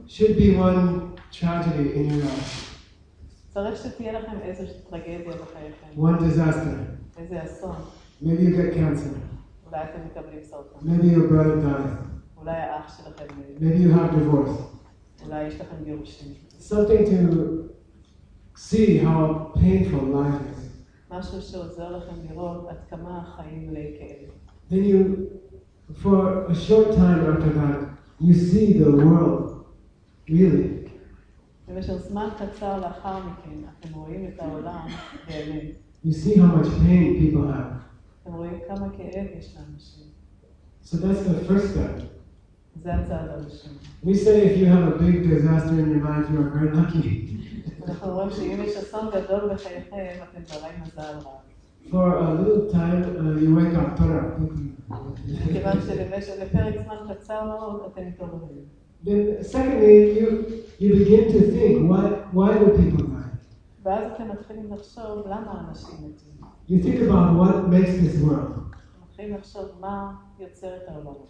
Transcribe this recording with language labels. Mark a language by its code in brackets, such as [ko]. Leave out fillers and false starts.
[en] Should be one tragedy in your life. [he] צריך שתהיה לכם איזושהי טרגדיה בחייכם. [en] One disaster. [he] איזה אסון. [en] Maybe you get cancer. [he] אולי אתם מקבלים סרטן. [en] Maybe your brother dies. [he] אולי האח שלכם מת. [en] Maybe you have divorce. [he] אולי יש לכם גירושים. [en] Something to see how painful life is. [he] משהו שעוזר לכם לראות עד כמה החיים מלאי כאב. [en] Then you, for a short time after that, you see the world, really. [he] במשך זמן קצר לאחר מכן, אתם רואים את העולם באמת. [en] You see how much pain people have. [he] אתם רואים כמה כאב יש לאנשים. [en] So that's the first step. [he] זה הצעד הראשון. [en] We say if you have a big disaster in your life, you are very lucky. [he] אנחנו רואים שאם יש אסון גדול בחייכם, אתם בעלי מזל רב. [en] For a little time, you wake up, [he] תורה. כיוון שלפרק זמן קצר מאוד, אתם מתעוררים. [en] Then secondly, you begin to think, why do people die? [he] ואז אתם מתחילים לחשוב, למה אנשים מתים? [en] You think about what makes this world. [he] מתחילים לחשוב, מה יוצר את העולם?